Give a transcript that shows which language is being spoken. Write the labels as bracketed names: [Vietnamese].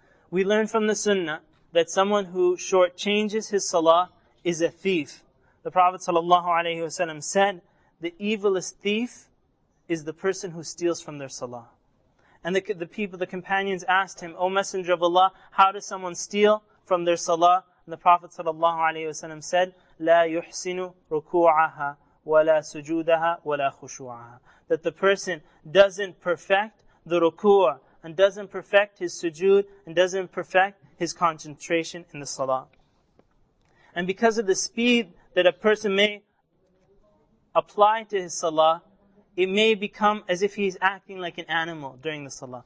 [English] We learn from the sunnah that someone who shortchanges his salah is a thief. The Prophet ﷺ said, the evilest thief is the person who steals from their salah. And the people, the companions asked him, O Messenger of Allah, how does someone steal from their salah? And the Prophet ﷺ said, [Arabic] لَا يُحْسِنُ رُكُوعَهَا وَلَا سُجُودَهَا وَلَا خُشُوعَهَا. [English] That the person doesn't perfect the ruku' and doesn't perfect his sujood and doesn't perfect his concentration in the salah. And because of the speed that a person may apply to his salah, it may become as if he's acting like an animal during the salah.